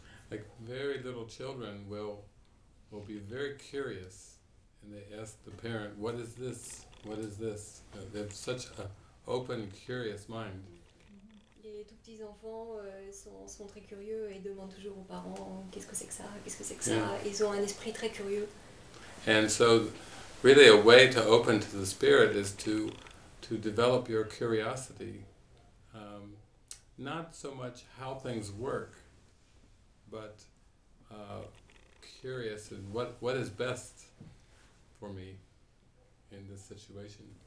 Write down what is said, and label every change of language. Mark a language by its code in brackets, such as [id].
[en] Like very little children will be very curious, and they ask the parent, "What is this? What is this?" They have such an open, curious mind. [fr] Les tout petits enfants sont très curieux et demandent toujours aux parents qu'est-ce que c'est que ça, qu'est-ce que c'est que ça. [en] Yeah. [fr] Ils ont un esprit très curieux. [en] And so, really, a way to open to the spirit is to develop your curiosity, not so much how things work, but curious and what is best for me in this situation.